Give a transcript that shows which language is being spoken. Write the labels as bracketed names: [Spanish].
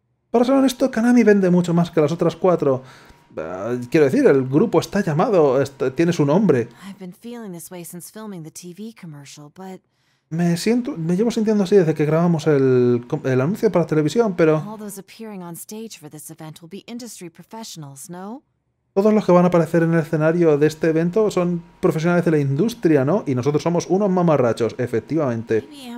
[Spanish] Para ser honesto, Kanami vende mucho más que las otras cuatro. Quiero decir, el grupo está llamado, tiene su nombre. [English] I've been feeling this way since filming the TV commercial, but... [Spanish] Me llevo sintiendo así desde que grabamos el anuncio para la televisión, pero... [English] All those appearing on stage for this event will be industry professionals, no? [Spanish] Todos los que van a aparecer en el escenario de este evento son profesionales de la industria, ¿no? Y nosotros somos unos mamarrachos, efectivamente.